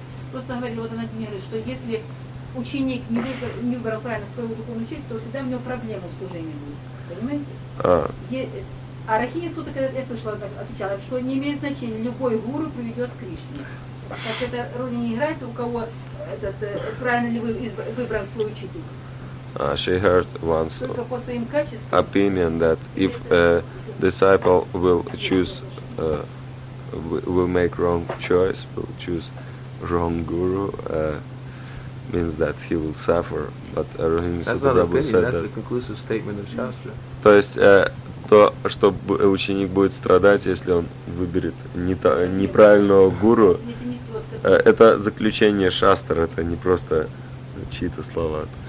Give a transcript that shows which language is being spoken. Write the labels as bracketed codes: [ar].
[ru] Просто говорила вот она мне, что если ученик не выбрал правильно своего духовного учителя, то всегда у него проблемы в служении будут. Понимаете? Арахини Сута, когда я слышала, отвечала, что не имеет значения, любой гуру приведет к Кришне. Так это роль не играет, у кого правильно ли выбран свой учитель. [en] She heard once opinion that if a disciple will choose wrong guru, means that he will suffer. But Rohini Sutta said that's a conclusive statement of Shastra. [ru] То есть то, что ученик будет страдать, если он выберет неправильного гуру, это заключение Шастр, это не просто чьи-то слова.